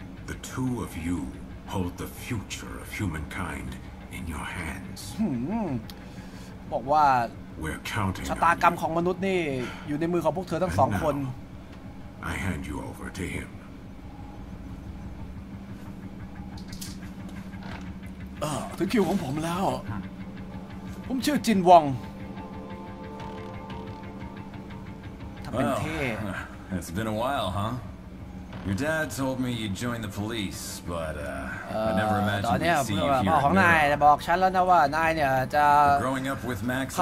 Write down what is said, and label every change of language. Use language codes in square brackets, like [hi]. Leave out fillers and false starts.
[en] The two of you hold the future of humankind in your hands. [th] บอกว่า [en] We're counting [th] ชะตากรรมของมนุษย์นี่อยู่ในมือของพวกเธอทั้ง2คน [en] I hand you over to him. [th] ถึงคิวของผมแล้ว ผมชื่อจินวอง [en] Well, it's been a while, huh? Your dad told me you'd join the police, but I never imagined we'd see you here. [th] บอกของนายบอกฉันแล้วนะว่านายเนี่ยจะเข